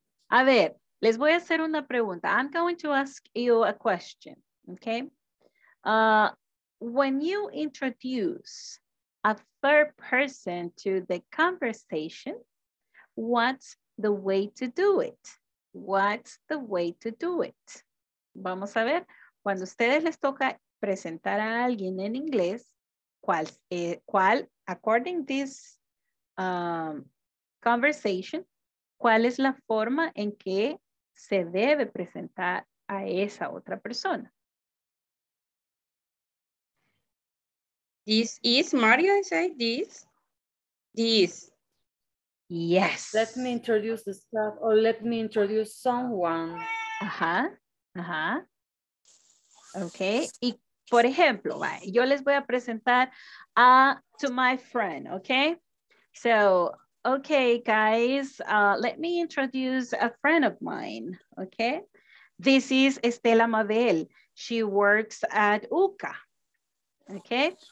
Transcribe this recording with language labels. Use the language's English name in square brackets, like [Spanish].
[Spanish] A ver, les voy a hacer una pregunta. [English] I'm going to ask you a question, okay? When you introduce a third person to the conversation, what's the way to do it? What's the way to do it? [Spanish] Vamos a ver. Cuando a ustedes les toca presentar a alguien en inglés, ¿cuál, [English] according this conversation, [Spanish] cuál es la forma en que se debe presentar a esa otra persona? [English] This is Mario, I say this. This. Yes. Let me introduce the staff or let me introduce someone. Uh-huh. Uh-huh. Okay. [Spanish] Y por ejemplo, yo les voy a presentar [English] to my friend, okay? So, okay, guys, let me introduce a friend of mine, okay? This is Estela Mabel. She works at UCA. Okay?